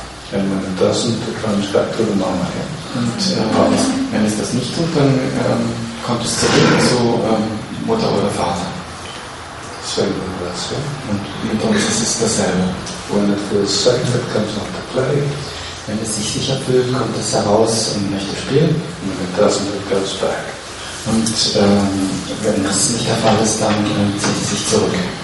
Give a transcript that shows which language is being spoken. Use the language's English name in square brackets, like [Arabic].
[English] And when it doesn't, it runs back to the mama again. [German] Und wenn es das nicht tut, dann kommt es zurück zu Mutter oder Vater. [English] Same with us, yeah? [German] Und mit uns ist es dasselbe. [English] When it feels safe, it comes out to play. [German] Wenn es sich sicher fühlt, kommt es heraus und möchte spielen. [English] And when it doesn't, it goes back. [German] Und wenn das nicht der Fall ist, dann zieht es sich zurück.